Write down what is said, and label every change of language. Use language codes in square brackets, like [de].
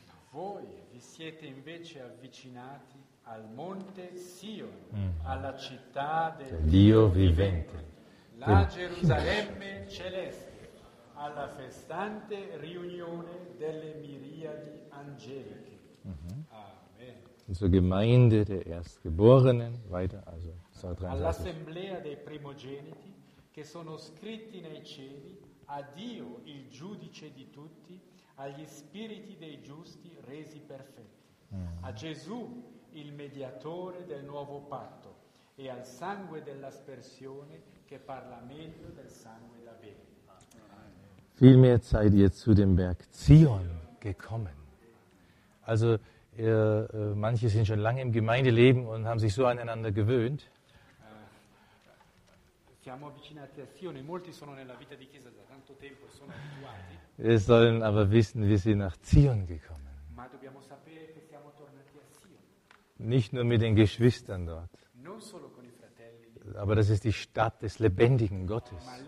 [it] Voi vi siete invece avvicinati al monte Sion, alla città del Dio vivente, la Gerusalemme celeste, alla festante riunione delle miriadi angeliche. Amen. [de] Zur Gemeinde der Erstgeborenen, weiter, also 23. [it] All'assemblea dei primogeniti che sono scritti nei cieli, a Dio il giudice di tutti, agli spiriti dei giusti resi perfetti, a Gesù il mediatore del nuovo patto e al sangue dell'aspersione che parla meglio del sangue da bere. [de] Vielmehr seid ihr zu dem Berg Zion gekommen. Also manche sind schon lange im Gemeindeleben und haben sich so aneinander gewöhnt. [it] Siamo avvicinati a Sion, molti sono nella vita di chiesa da tanto tempo e sono abituati. [de] Wir sollen aber wissen, wie sie nach Zion gekommen. [it] Ma dobbiamo sapere che siamo tornati a Sion. [de] Nicht nur mit den Geschwistern dort. [it] Non solo con i fratelli. [de] aber das ist die Stadt des lebendigen Gottes.